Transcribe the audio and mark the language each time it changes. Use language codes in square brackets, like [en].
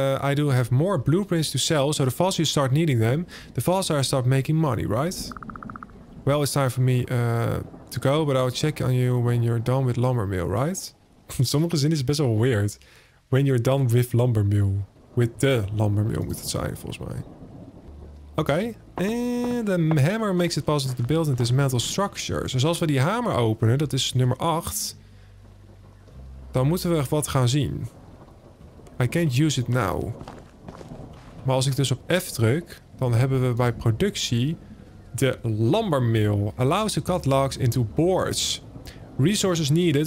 [en] I do have more blueprints to sell, so the faster you start needing them, the faster I start making money, right? Well, it's time for me to go, but I'll check on you when you're done with lumber mill, right? [nl] Sommige zin is best wel weird. [en] When you're done with lumber mill. With the lumber mill [nl] moet het zijn, volgens mij. Oké. [en] And the hammer makes it possible to build and dismantle structures. [nl] Dus als we die hamer openen, dat is nummer 8. Dan moeten we wat gaan zien. [en] I can't use it now. [nl] Maar als ik dus op F druk, dan hebben we bij productie de lumber mill. [en] Allows to cut logs into boards. Resources needed.